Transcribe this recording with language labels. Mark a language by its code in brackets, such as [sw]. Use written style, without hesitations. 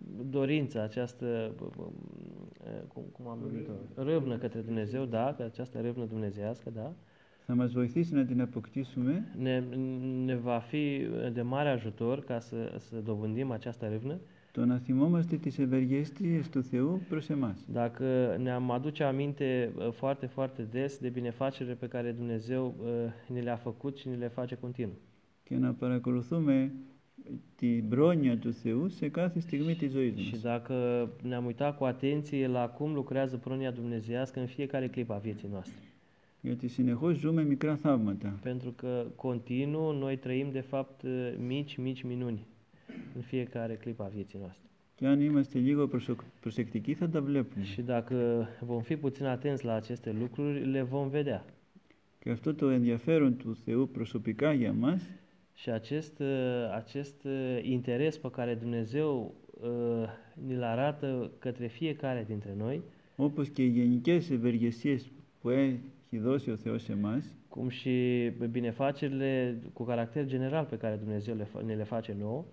[ro] Dorința această cum am numit o ρεύνα către Dumnezeu, da, această ρεύνα dumnezească, da. [el] Θα μας βοηθήσει να την αποκτήσουμε. [ro] Ne va fi de mare ajutor ca să dobândim această ρεύνα. [el] Το να θυμόμαστε τις ευεργέστειες του Θεού προς εμάς. [ro] Dacă ne-am aduce aminte foarte, foarte des de binefacere pe care Dumnezeu ne le-a făcut și ne le face continuu. [el] Και να παρακολουθούμε την πρόνοια του Θεού σε κάθε στιγμή της ζωής μας. [ro] Și dacă ne-am uitat cu atenție la cum lucrează πρόνοια dumnezeiască în fiecare clipă a vieții noastre. [el] Γιατί συνεχώς ζούμε μικρά θαύματα. [ro] Pentru că continuu noi trăim de fapt mici, mici minuni. În fiecare clipă a vieții noastre. [el] Και αν είμαστε λίγο προσεκτικοί, θα τα βλέπουμε. [ro] Și dacă vom fi puțin atenți la aceste lucruri, le vom vedea. [el] Και αυτό το ενδιαφέρον του Θεού προσωπικά για μας. [ro] Și acest interes pe care Dumnezeu ne-l arată către fiecare dintre noi. [el] Όπως και οι γενικές ευεργεσίες που έχει δώσει ο Θεός σε μας. [ro] Cum și binefacerile cu caracter general pe care Dumnezeu ne le face nouă.